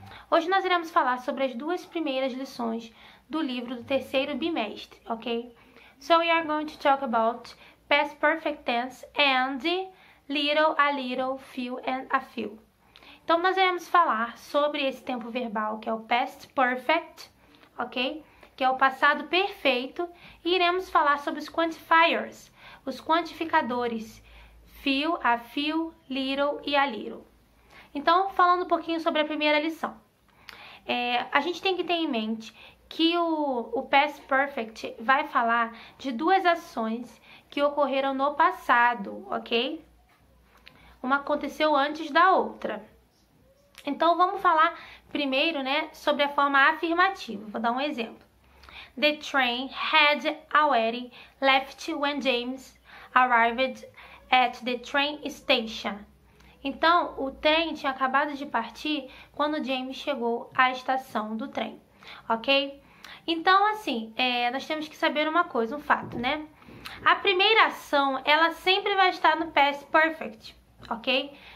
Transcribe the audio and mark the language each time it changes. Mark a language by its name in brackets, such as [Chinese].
[Portuguese] Hoje nós iremos falar sobre as duas primeiras lições do livro do terceiro bimestre, ok? [English] So we are going to talk about past perfect tense and little a little, few and a few. [Portuguese] Então nós iremos falar sobre esse tempo verbal que é o past perfect, ok? Que é o passado perfeito. E iremos falar sobre os quantifiers, os quantificadores. Few, a few, little e a little. Então, falando um pouquinho sobre a primeira lição. A gente tem que ter em mente que o past perfect vai falar de duas ações que ocorreram no passado, ok? Uma aconteceu antes da outra. Então, vamos falar primeiro, né, sobre a forma afirmativa. Vou dar um exemplo. [English] The train had already left when James arrived at the train station. [Portuguese] Então, o trem tinha acabado de partir quando James chegou à estação do trem, ok? Então, assim, nós temos que saber uma coisa, um fato, né? A primeira ação, ela sempre vai estar no past perfect, ok?